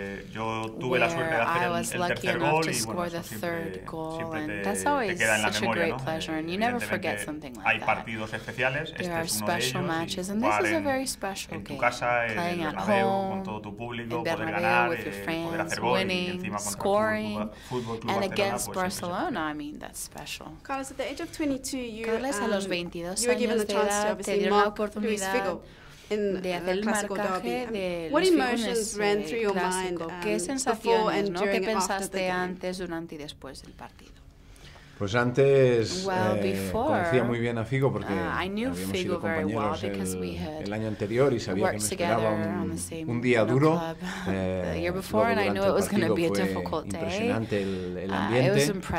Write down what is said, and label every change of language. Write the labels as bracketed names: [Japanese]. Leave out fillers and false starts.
[Spanish] Yo tuve la suerte de hacer el tercer gol y bueno, eso siempre te queda en la memoria, ¿no? Evidentemente hay partidos especiales, este es uno de ellos, y jugar en tu casa, en el Bernabéu, con todo tu público, poder ganar, poder hacer [English] winning, scoring, and against Barcelona, I mean, that's special. Carlos, at the age of 22, you were given the chance to obviously mark Luis Figo in the Clásico Derby. What emotions ran through your mind before and during and after the game? [Spanish] Durante y después del partido? Pues antes conocía muy bien a Figo porque habíamos sido compañeros el año anterior y sabía que me esperaba un día duro. Luego durante el partido fue impresionante el ambiente.